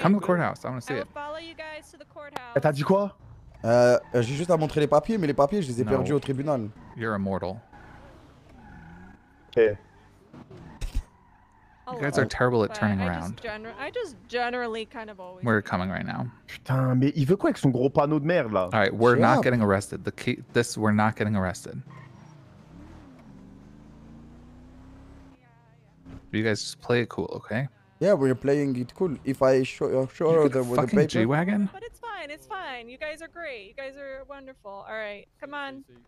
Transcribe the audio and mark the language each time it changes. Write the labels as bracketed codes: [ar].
[en] Come to the courthouse, I want to see it. I will follow you guys to the courthouse. [fr] T'as dit quoi? J'ai juste à montrer les papiers, mais les papiers, je les ai perdus au tribunal. [en] You're immortal. Hey. You guys are terrible at turning around. I just generally kind of always. We're coming right now. [fr] Putain, mais il veut quoi avec son gros panneau de merde là? [en] All right, we're not getting arrested. The key, this, we're not getting arrested. Yeah. You guys just play it cool, okay? Yeah, we're playing it cool. If I show you the fucking paper. G-Wagon? But it's fine, you guys are great. You guys are wonderful. All right, come on.